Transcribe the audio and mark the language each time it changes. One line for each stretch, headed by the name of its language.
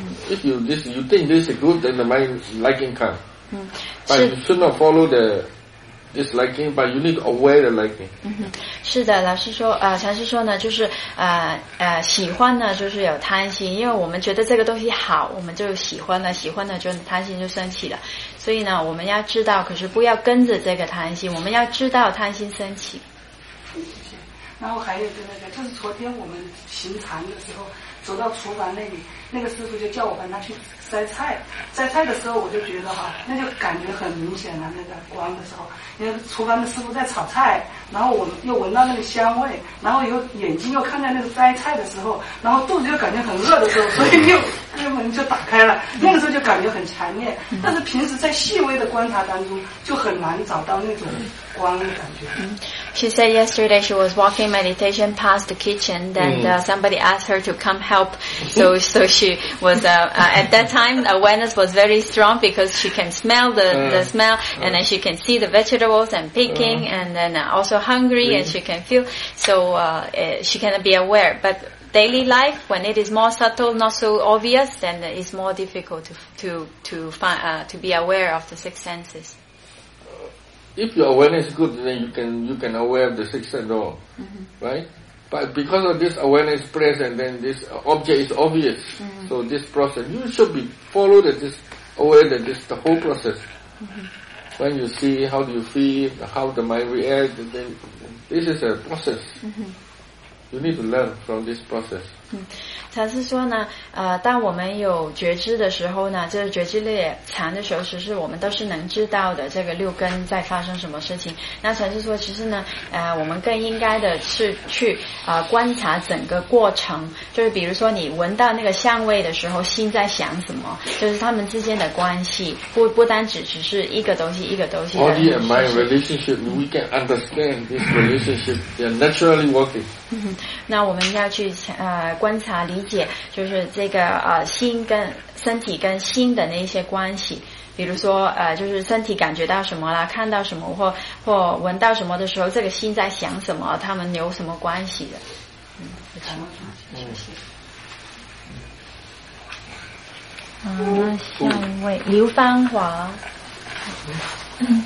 English: If you think this is good, then the mind liking come. But you should not follow the disliking, but you need to aware the liking.
Chinese: 是的，老师说，禅师说呢，就是喜欢呢，就是有贪心，因为我们觉得这个东西好，我们就喜欢了，喜欢了就贪心就升起了。所以呢，我们要知道，可是不要跟着这个贪心，我们要知道贪心升起。然后还有那个，就是昨天我们行禅的时候。走到厨房那里，那个师傅就叫我帮他去摘菜。摘菜的时候，我就觉得哈，那就感觉很明显了。那个光的时候，因为厨房的师傅在炒菜，然后我又闻到那个香味，然后又眼睛又看在那个摘菜的时候，然后肚子又感觉很饿的时候，所以又门就打开了。那个时候就感觉很强烈，但是平时在细微的观察当中，就很难找到那种光的感觉。
English: She said yesterday she was walking meditation past the kitchen, then somebody asked her to come help. So she was, at that time, awareness was very strong because she can smell the smell, and then she can see the vegetables and picking, and then also hungry, and she can feel. So, she can be aware. But daily life, when it is more subtle, not so obvious, then it's more difficult to be aware of the six senses. If your awareness is good, then you can aware of the six at all, right? But because of this awareness present, then this object is obvious. Mm-hmm. So this process, you should be followed at this aware that this the whole process. Mm-hmm. When you see how do you feel, how the mind reacts, then this is a process. Mm-hmm. You need to learn from this process. Mm-hmm.
Chinese: 禅师说呢，当我们有觉知的时候呢，就是觉知力强的时候，其实我们都是能知道的，这个六根在发生什么事情。那禅师说，其实呢，我们更应该的是去观察整个过程，就是比如说你闻到那个香味的时候，心在想什么，就是他们之间的关系，不单只是一个东西一个东西。
English: Body and mind relationship, we can understand this relationship. They are naturally working.
Chinese: 那我们要去观察。理解就是这个心跟身体跟心的那些关系，比如说就是身体感觉到什么啦，看到什么或闻到什么的时候，这个心在想什么，他们有什么关系的。嗯，那下一位刘芳华。嗯，